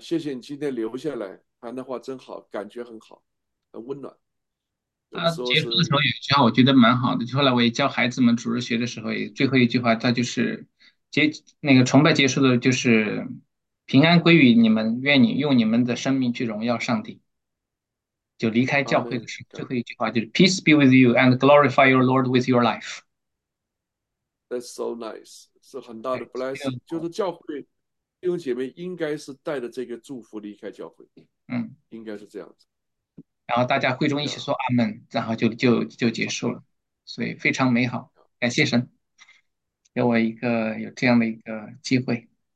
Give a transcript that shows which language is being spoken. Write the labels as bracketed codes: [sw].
[zh] 谢谢你今天留下来，谈的话真好，感觉很好，很温暖。有的时候结束是，的时候有一句话，我觉得蛮好的。就后来我也教孩子们主日学的时候，最后一句话，它就是那个崇拜结束的，就是平安归于你们，愿你用你们的生命去荣耀上帝。就离开阿教会的门，时候，最后一句话就是 [en] "Peace be with you and glorify your Lord with your life." That's so nice， [zh] 是很大的对， blessing，就是教会弟兄姐妹应该是带着这个祝福离开教会，应该是这样子，然后大家会中一起呀。说阿门，然后就结束了，所以非常美好，感谢神给我一个有这样的一个机会。